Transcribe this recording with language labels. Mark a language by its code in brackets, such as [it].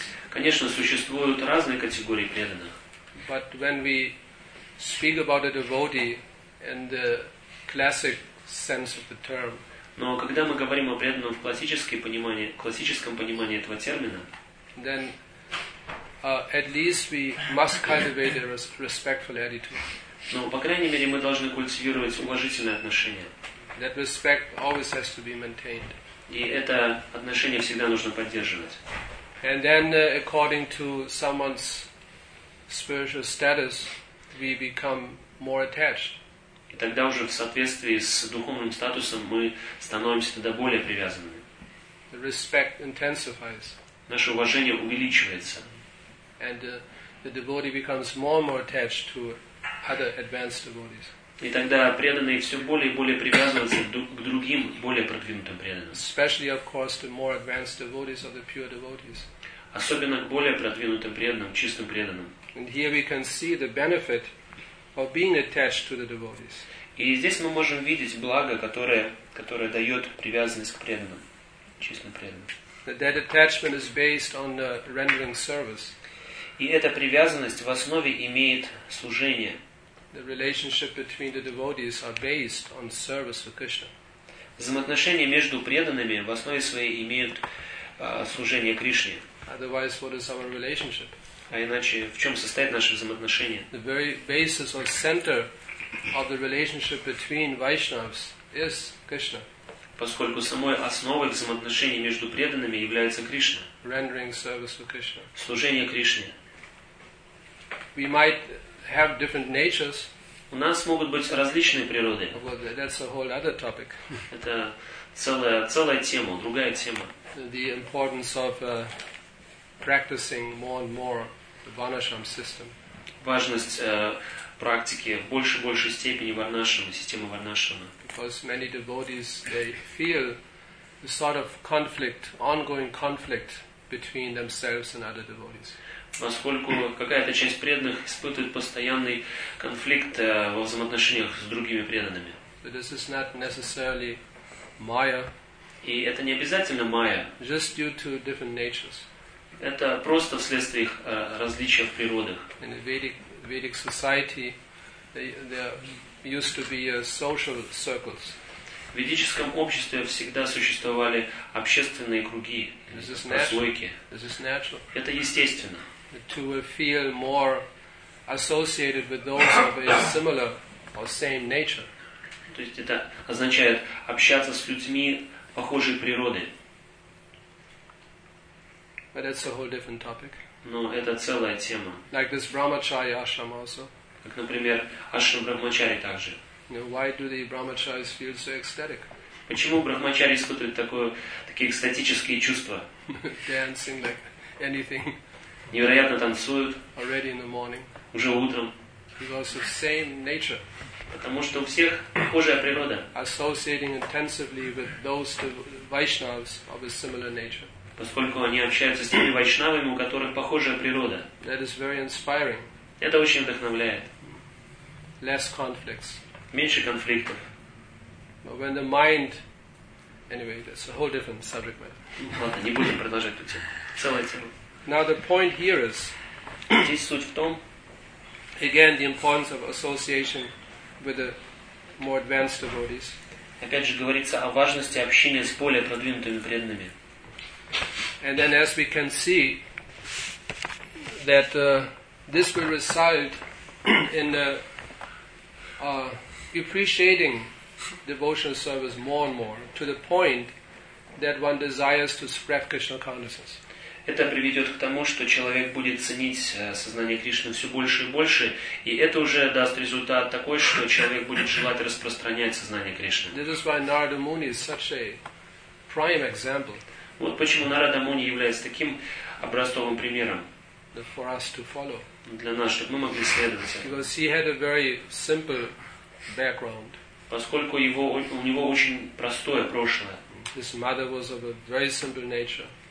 [ru] Конечно, существуют разные категории преданных. [en] But when we speak about a devotee in the classic sense of the term, [ru] но когда мы говорим о преданном в классическом понимании этого термина, [en] then, at least we must cultivate a respectful attitude. [ru] Но, по крайней мере, мы должны культивировать уважительное отношение. [en] That respect always has to be maintained. [ru] И это отношение всегда нужно поддерживать. [en] And then, according to someone's spiritual status, we become more attached. [ru] И тогда уже в соответствии с духовным статусом мы становимся тогда более привязанными. [en] The respect intensifies. [ru] Наше уважение увеличивается. [en] And the devotee becomes more and more attached to other advanced devotees. [ru] И тогда преданные все более и более привязываются к другим более продвинутым преданным. [en] Especially, of course, to more advanced devotees or the pure devotees. [ru] Особенно к более продвинутым преданным, чистым преданным. [en] And here we can see the benefit of being attached to the devotees. [ru] И здесь мы можем видеть благо, которое дает привязанность к преданным, чистым преданным. [en] That attachment is based on rendering service. [ru] И эта привязанность в основе имеет служение. [en] The relationship between the devotees are based on service for Krishna. [ru] Взаимоотношения между преданными в основе своей имеют служение Кришне. [en] Otherwise, what is our relationship? [ru] А иначе, в чем состоит наше взаимоотношение? [en] The very basis or center of the relationship between Vaishnavas is Krishna. [ru] Поскольку самой основой взаимоотношений между преданными является Кришна. [en] Rendering service for Krishna. [ru] Служение Кришне. [en] We might have different natures. [ru] У нас могут быть различные природы. [en] Well, that's a whole other topic. [ru] Это целая тема, другая тема. [en] The importance of practicing more and more the Varnashram system. [ru] Важность практики в больше и большей степени Варнашрама, системы Варнашрама. [en] Because many devotees, they feel the sort of conflict, ongoing conflict between themselves and other devotees. [ru] Поскольку какая-то часть преданных испытывает постоянный конфликт во взаимоотношениях с другими преданными. [en] So this is not necessarily Maya. [ru] И это не обязательно майя. [en] Just due to different natures. [ru] Это просто вследствие их различия в природах. [en] In the Vedic society, there used to be social circles. [ru] В ведическом обществе всегда существовали общественные круги, прослойки. Это естественно. [en] To feel more associated with those of a similar or same nature. [ru] То есть это означает общаться с людьми похожей природы. [en] But that's a whole different topic. [ru] Но это целая тема. [en] Like this Brahmacharya ashram also. [ru] Как, например, ашрам Брахмачари также. [en] Why do the brahmacharis feel so ecstatic? [ru] Почему брахмачари испытывают такие экстатические чувства? [en] Dancing like anything. [ru] Невероятно танцуют. [en] Already in the morning. [ru] Уже утром. [en] Because of same nature. [ru] Потому что у всех похожая природа. [en] Associating intensively with those Vaishnavas of a similar nature. [ru] Поскольку они общаются с теми вайшнавами, у которых похожая природа. [en] That is very inspiring. [ru] Это очень вдохновляет. [en] Less conflicts. [ru] Меньше конфликтов. [en] But when the mind, anyway, that's a whole different subject matter. [ru] Ладно, не будем продолжать эту тему. Целая тема. [en] Now the point here is. [ru] Здесь суть в том. [en] Again, the importance of association with the more advanced devotees. [ru] Опять же говорится о важности общения с более продвинутыми преданными. [en] And then, as we can see, that this will result in the appreciating devotional service more and more to the point that one desires to spread Krishna consciousness. [ru] Это приведет к тому, что человек будет ценить сознание Кришны все больше и больше, и это уже даст результат такой, что человек будет желать распространять сознание Кришны. [en] This is why Narada Muni is such a prime example. [ru] Вот почему Нарада Муни является таким образцовым примером [en] for us to follow. [ru] Для нас, чтобы мы могли следовать. [en] Because he had a very simple background. [ru] Поскольку у него очень простое прошлое. [en] His mother was of a very simple nature.